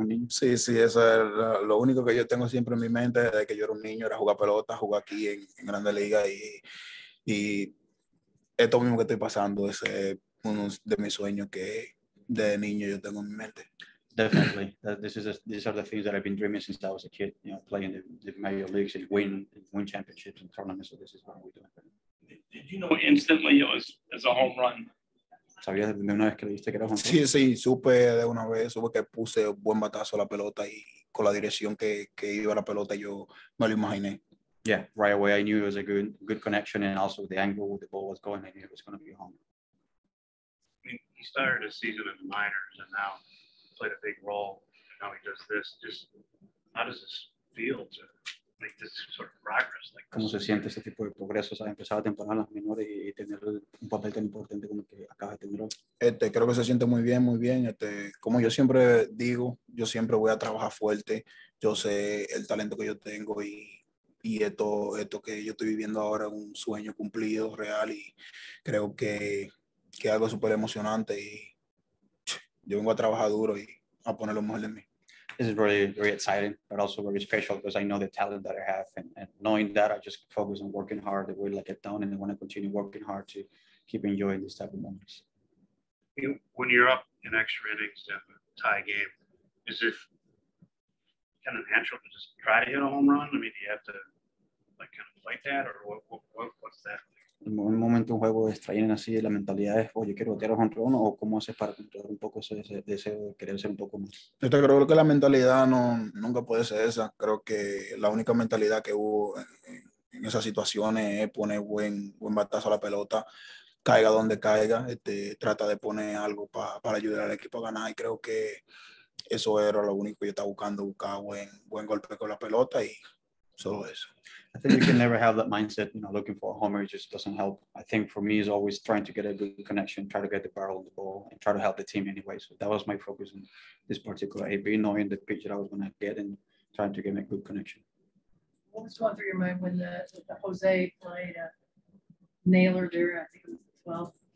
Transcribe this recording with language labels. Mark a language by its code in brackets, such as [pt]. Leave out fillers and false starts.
[es] Sí, eso es lo único que yo tengo siempre en mi mente desde que yo era un niño, era jugar pelota, jugar aquí en Grandes Ligas, y esto mismo que estoy pasando es uno de mis sueños que de niño yo tengo en mi mente. [en] Definitely. These are the things that I've been dreaming since I was a kid, you know, playing the major leagues and win championships and tournaments, so this is what we're doing. Did you know instantly it was as a home run? [es] ¿Sabías de una vez que le dijiste que era Juan? Sí, supe de una vez, supe que puse buen batazo a la pelota y con la dirección que iba la pelota yo me lo imaginé. [en] Yeah, right away I knew it was a good connection, and also the angle where the ball was going, I knew it was going to be home. I mean, he started a season in the minors and now played a big role, and now he does this. Just how does this feel to make this sort of progress? [es] ¿Cómo se siente ese tipo de progreso? O sea, empezar la temporada en las menores y tener un papel tan importante como el que acaba de tener hoy. Creo que se siente muy bien. Como yo siempre digo, yo siempre voy a trabajar fuerte. Yo sé el talento que yo tengo y esto que yo estoy viviendo ahora es un sueño cumplido, real. Y creo que es algo súper emocionante. Y yo vengo a trabajar duro y a poner lo mejor de mí. [en] This is really very exciting, but also very special because I know the talent that I have, and knowing that, I just focus on working hard the way like I've done, and I want to continue working hard to keep enjoying these type of moments. When you're up in extra innings in a tie game, is it kind of natural to just try to hit a home run? I mean, do you have to like kind of fight that, or what's that? [es] En un momento un juego extraen así la mentalidad es, oye, quiero botear a Juan Rono, o cómo haces para controlar un poco ese deseo de querer ser un poco más. Yo creo que la mentalidad nunca puede ser esa. Creo que la única mentalidad que hubo en esas situaciones es poner buen batazo a la pelota, caiga donde caiga, trata de poner algo para ayudar al equipo a ganar, y creo que eso era lo único que yo estaba buscando, buscar buen golpe con la pelota, y [en] always. I think you can never have that mindset, you know, looking for a homer. It just doesn't help. I think for me, it's always trying to get a good connection, try to get the barrel on the ball, and try to help the team anyway. So that was my focus in this particular AB, knowing the pitch that I was going to get and trying to get a good connection. What was going through your mind when the Jose played Naylor there? I think it was the 12th.